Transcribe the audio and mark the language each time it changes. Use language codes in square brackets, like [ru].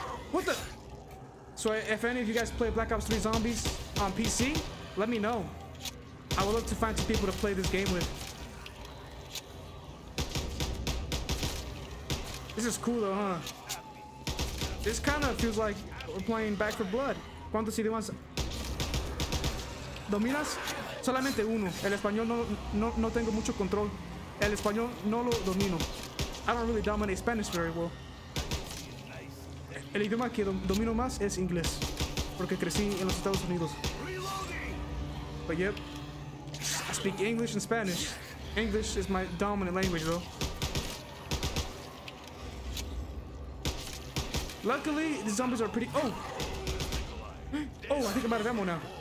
[en] What the? So if any of you guys play Black Ops 3 Zombies on PC, let me know. I would love to find some people to play this game with. This is cool though, huh? This kind of feels like we're playing Back for Blood. [es] ¿Cuántos idiomas dominas? Solamente uno. El español no tengo mucho control. El español no lo domino. [en] I don't really dominate Spanish very well. [es] El idioma que domino más es inglés. Porque crecí en los Estados Unidos. [en] But yep. I speak English and Spanish. English is my dominant language though. Luckily, the zombies are pretty. Oh! Oh, I think I'm out of ammo now.